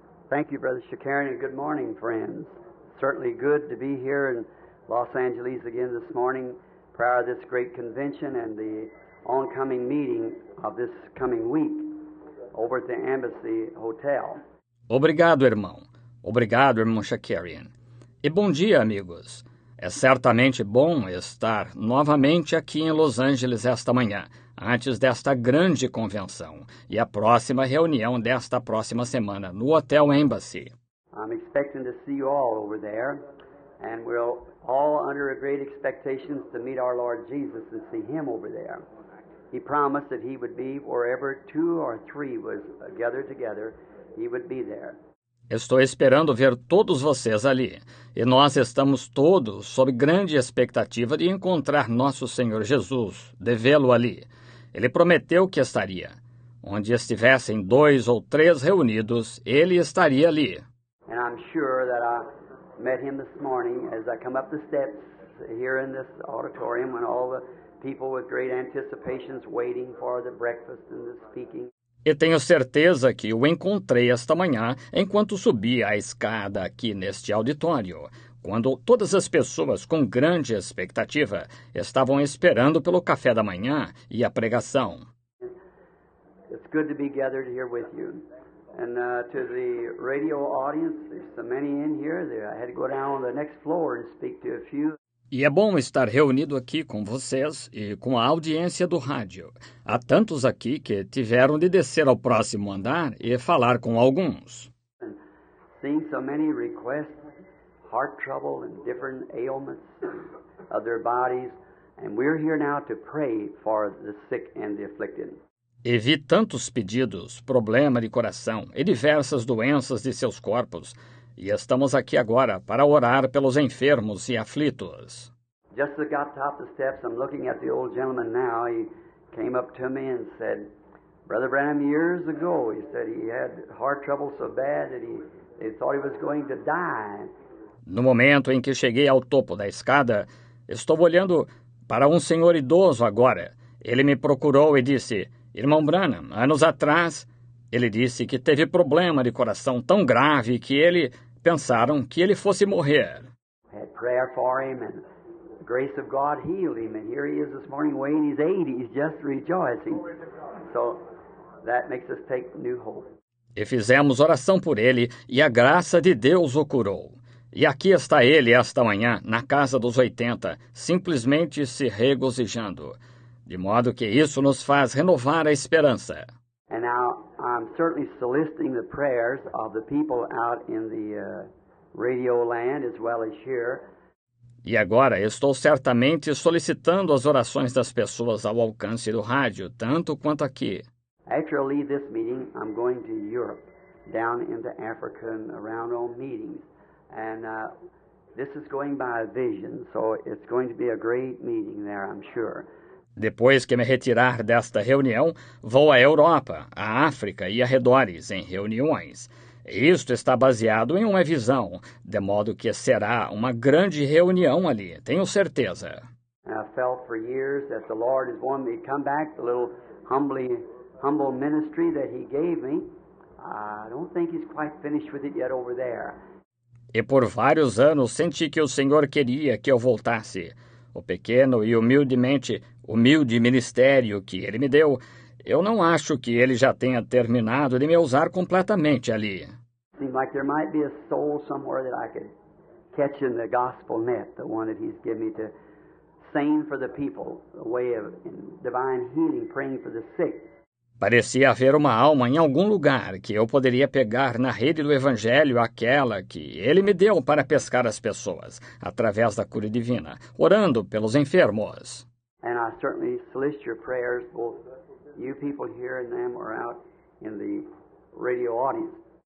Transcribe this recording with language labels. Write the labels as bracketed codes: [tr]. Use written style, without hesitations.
[en] Thank you, Brother Shakarian, and good morning, friends. Certainly good to be here in Los Angeles again this morning, prior to this great convention and the oncoming meeting of this coming week. Over at the Embassy Hotel. [pt] Obrigado, irmão. Obrigado, irmão Shakarian. E bom dia, amigos. É certamente bom estar novamente aqui em Los Angeles esta manhã, antes desta grande convenção e a próxima reunião desta próxima semana no Hotel Embassy. [en] I'm expecting to see you all over there, and we're all under a great expectation to meet our Lord Jesus and see Him over there. He promised that he would be wherever two or three was gathered together, he would be there. [pt] Estou esperando ver todos vocês ali. E nós estamos todos sob grande expectativa de encontrar nosso Senhor Jesus, de vê-lo ali. Ele prometeu que estaria. Onde estivessem dois ou três reunidos, ele estaria ali. [en] And I'm sure that I met him this morning as I come up the steps here in this auditorium when all the people with great anticipations waiting for the breakfast and the speaking. [pt] E tenho certeza que o encontrei esta manhã enquanto subi a escada aqui neste auditório, quando todas as pessoas com grande expectativa estavam esperando pelo café da manhã e a pregação. [en] It's good to be gathered here with you. And to the radio audience, there's so many in here there. I had to go down on the next floor and speak to a few. [pt] E é bom estar reunido aqui com vocês e com a audiência do rádio. Há tantos aqui que tiveram de descer ao próximo andar e falar com alguns. [en] Seeing so many requests, heart trouble and different ailments of their bodies, and we're here now to pray for the sick and the afflicted. [pt] E vi tantos pedidos, problema de coração e diversas doenças de seus corpos. E estamos aqui agora para orar pelos enfermos e aflitos. [en] Just as I got top the steps, I'm looking at the old gentleman now. He came up to me and said, Brother Branham, years ago, he said he had heart trouble so bad that he thought he was going to die. [pt] No momento em que cheguei ao topo da escada, estou olhando para um senhor idoso agora. Ele me procurou e disse, Irmão Branham, anos atrás, ele disse que teve problema de coração tão grave que ele pensaram que ele fosse morrer. [en] Had prayer for him and the grace of God healed him, and here he is this morning weighing his 80s, just rejoicing. So that makes us take new hope. [pt] E fizemos oração por ele e a graça de Deus o curou. E aqui está ele esta manhã na casa dos 80, simplesmente se regozijando, de modo que isso nos faz renovar a esperança. [en] And now I'm certainly soliciting the prayers of the people out in the radio land as well as here. [pt] E agora estou certamente solicitando as orações das pessoas ao alcance do rádio, tanto quanto aqui. [en] After I leave this meeting, I'm going to Europe, down into Africa and around all meetings. And this is going by a vision, so it's going to be a great meeting there, I'm sure. [pt] Depois que me retirar desta reunião, vou à Europa, à África e arredores em reuniões. Isto está baseado em uma visão, de modo que será uma grande reunião ali, tenho certeza. [en] I felt for years that the Lord has wanted me to come back, the little humble ministry that he gave me. I don't think he's quite finished with it yet over there. [pt] E por vários anos senti que o Senhor queria que eu voltasse. O pequeno e humilde ministério que ele me deu, eu não acho que ele já tenha terminado de me usar completamente ali. [en] Seems like there might be a soul somewhere that I could catch in the gospel net, the one that he's given me to sing for the people, a way of divine healing, praying for the sick. [pt] Parecia haver uma alma em algum lugar que eu poderia pegar na rede do Evangelho, aquela que ele me deu para pescar as pessoas, através da cura divina, orando pelos enfermos. [en] And I certainly solicit your prayers, both you people here and them or out in the radio audience.